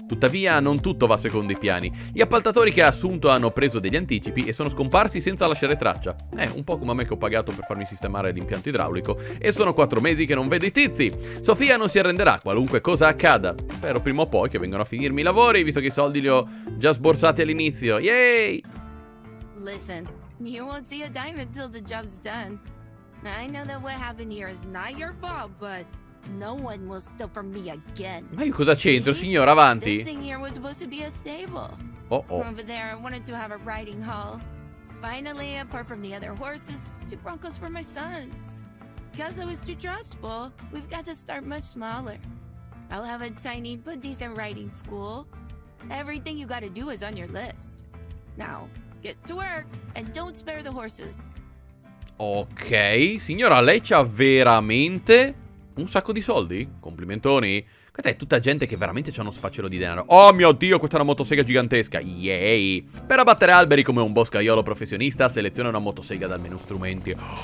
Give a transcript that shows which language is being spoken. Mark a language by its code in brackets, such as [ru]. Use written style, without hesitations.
[it] Tuttavia, non tutto va secondo i piani. Gli appaltatori che ha assunto hanno preso degli anticipi e sono scomparsi senza lasciare traccia. Un po' come a me che ho pagato per farmi sistemare l'impianto idraulico. E sono 4 mesi che non vedo i tizi. Sofia non si arrenderà qualunque cosa accada. Spero prima o poi che vengano a finirmi i lavori, visto che i soldi li ho già sborsati all'inizio. Yay! [en] Listen, you won't see a dime until the job's done. I know that what happened here is not your fault, but no one will steal from me again. [it] Ma io cosa c'entro, signora? Avanti. [en] This thing here was supposed to be a stable. Oh oh. Over there, I wanted to have a riding hall. Finally, apart from the other horses, 2 broncos for my sons. Because it was too stressful, we've got to start much smaller. I'll have a tiny but decent riding school. Everything you gotta do is on your list. Now, get to work and don't spare the horses. [it] Ok, signora, lei c'ha veramente un sacco di soldi? Complimentoni. Questa è tutta gente che veramente c'ha uno sfacelo di denaro. Oh mio Dio, questa è una motosega gigantesca. Yay. Per abbattere alberi come un boscaiolo professionista, seleziona una motosega dal menu strumenti.